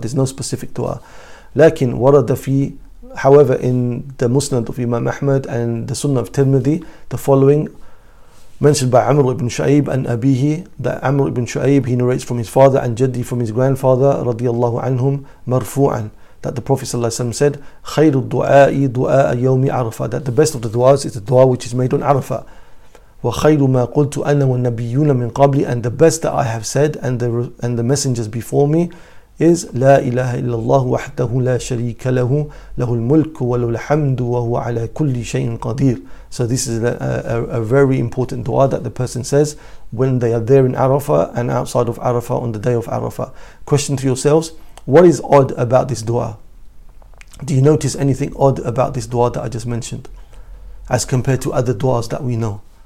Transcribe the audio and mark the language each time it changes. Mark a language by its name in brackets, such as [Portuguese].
[English] There's no specific dua. [Arabic] لَكِنْ وَرَدَ فِي, [English] however, in the Musnad of Imam Ahmad and the Sunnah of Tirmidhi, the following mentioned by Amr ibn Shu'ayb and Abihi, that Amr ibn Shu'ayb, he narrates from his father and Jaddi, from his grandfather radiyallahu anhum, marfu'an, that the Prophet said, [Arabic] خَيْرُ الدُّعَاءِ دُعَاءَ يَوْمِ عَرَفَةَ, [English] that the best of the du'as is the du'a which is made on Arafah. [Arabic] وَخَيْرُ مَا قُلْتُ أَنَا وَالنَّبِيُّونَ مِنْ قَبْلِ, [English] and the best that I have said and the messengers before me [Arabic] is لا إله إلا الله وحده لا شريك له له الملك وله الحمد وهو على كل شيء قدير. [English] So this is a very important dua that the person says when they are there in Arafah and outside of Arafah on the day of Arafah. Question to yourselves, what is odd about this dua? Do you notice anything odd about this dua that I just mentioned as compared to other duas that we know?